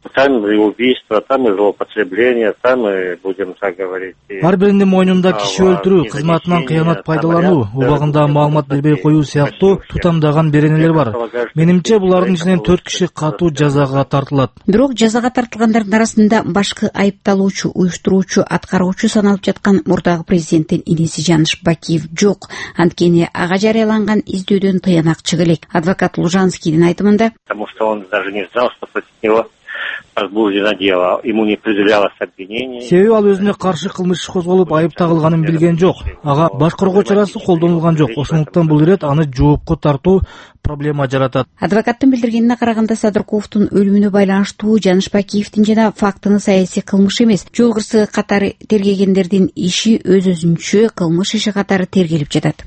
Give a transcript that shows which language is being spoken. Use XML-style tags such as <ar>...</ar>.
<ru>Там убийство, там и злоупотребление, там и будем так говорить.</ru> <ky>Ар биринин мойнунда киши өлтүрүү, кызматынан кыянат пайдалануу, убагында маалымат бербей коюу сыяктуу тутамдаган беренелер бар. Менимче булардын ичинен 4 киши катуу жазага тартылат. Бирок жазага тартылгандардын арасында башкы айыпталуучу, уюштуруучу, аткаруучу саналып жаткан мурдагы президенттин иниси Жаныш Бакиев жок. Анткени ага жарыяланган издөөдөн тыянак чыга элек. Адвокат Лужанскийдин айтымында,</ky> <ru>потому что он даже не знал, что против него возбуждено дело, ему не предъявлялось обвинение.</ru> <ky>Себеби ал өзүнө каршы кылмыш иши козголуп айып тагылганын билген жок. Ага башкаргоо чарасы колдонулган жок. Ошондуктан бул ирет аны жоопко тартуу проблема жаратат. Адвокаттын билдиргенине караганда, Садыркуловдун өлүмүнө байланыштуу Жаныш Бакиевдин жана фактыны саясий кылмыш эмес, жол кырсыгы катары тергегендердин иши өз өзүнчө кылмыш иши катары тергелип жатат.</ky>